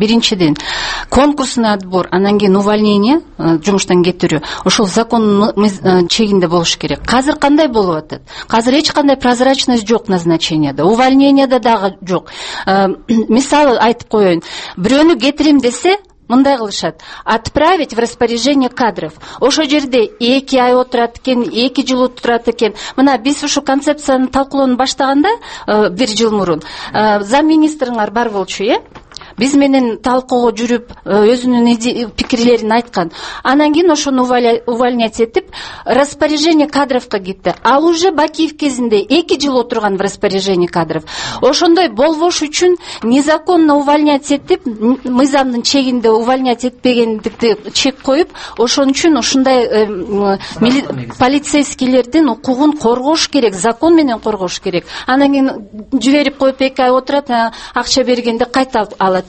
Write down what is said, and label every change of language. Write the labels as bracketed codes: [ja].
[ky] Биринчиден, [ru] конкурсный отбор, [ky] анан кийин [ru] увольнение, [ky] жумуштан кетирүү, ошол закондун чегинде болуш керек. Казыр кандай болуп атат? Казыр эч кандай [ru] прозрачность [ky] жок назначенияда, увольненияда дагы жок. Мисалы айтып коеюн. Бирөөнү кетирим десе, мындай кылышат. [ru] Отправить в распоряжение кадров. [ky] Ошо жерде 2 ай отурат экен, 2 жыл отурат экен. Мына биз ушу концепцияны талкуулоону баштаганда, 1 жыл мурун, замминистрлер бар болчу, э? Биз менен талкууга жүрүп, өзүнүн пикирлерин айткан. Анан кийин ошону [ru] увольнять [ky] этип, распоряжение кадровго кетти. Ал уже Бакиев кезинде 2 жыл отурган [ru] в распоряжении кадров. [ky] Ошондой болбош үчүн [ru] незаконно увольнять [ky] этип, мыйзамдын чегинде увольнять этпегендикти чек коюп, ошон үчүн ушундай полицейскийлердин укугун коргош керек, закон менен коргош керек. Анан кийин жиберип коюп 2 ай отурат, акча бергенде кайта алат.